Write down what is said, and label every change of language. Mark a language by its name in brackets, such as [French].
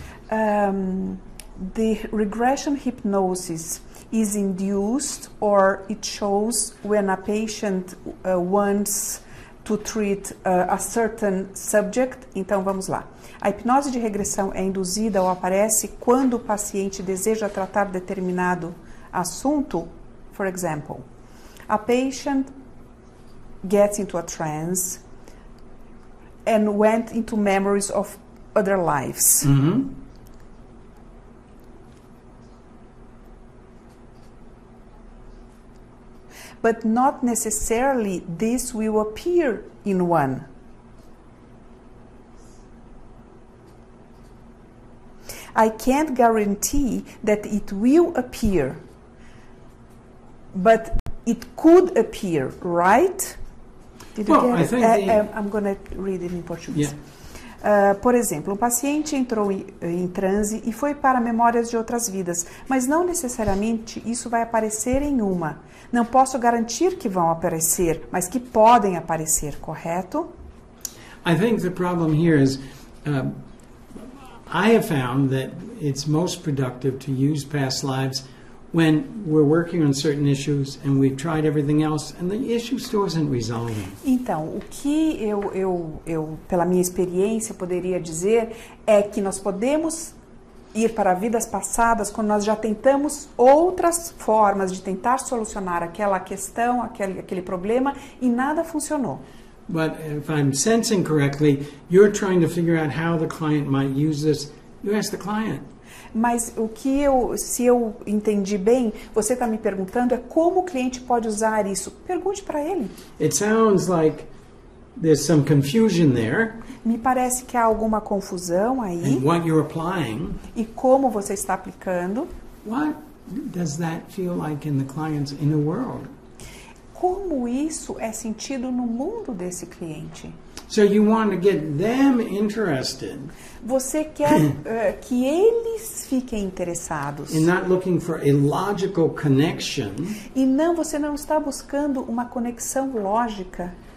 [English] The regression hypnosis is induced or it shows when a patient wants to treat a certain subject. [Portuguese] Então, vamos lá. A hipnose de regressão é induzida ou aparece quando o paciente deseja tratar determinado assunto. [English] For example, a patient gets into a trance and went into memories of other lives. Mm-hmm. But not necessarily this will appear in one. I can't guarantee that it will appear, but it could appear, right? I'm going to read it in Portuguese. Yeah. [Portuguese] Por exemplo, um paciente entrou em transe e foi para memórias de outras vidas, mas não necessariamente isso vai aparecer em uma. Não posso garantir que vão aparecer, mas que podem aparecer, correto? [English] I think the problem here is I have found that it's most productive to use past lives when we're working on certain issues and we've tried everything else and the issue still isn't resolving. [Portuguese] Então, o que eu pela minha experiência poderia dizer é que nós podemos ir para vidas passadas quando nós já tentamos outras formas de tentar solucionar aquela questão, aquele problema e nada funcionou. [English] But if I'm sensing correctly, you're trying to figure out how the client might use this. You ask the client. [Portuguese] Mas o que eu, se eu entendi bem, você está me perguntando é como o cliente pode usar isso. Pergunte para ele. [English] It sounds like there's some confusion there. [Portuguese] Me parece que há alguma confusão aí. [English] And what you're applying. [Portuguese] E como você está aplicando. [English] What does that feel like in the client's inner world? [Portuguese] Como isso é sentido no mundo desse cliente? [English] So you want to get them interested. [Portuguese] Você quer que eles fiquem interessados. [English] And not looking for a logical connection. [Portuguese] E não, você não está buscando uma conexão lógica.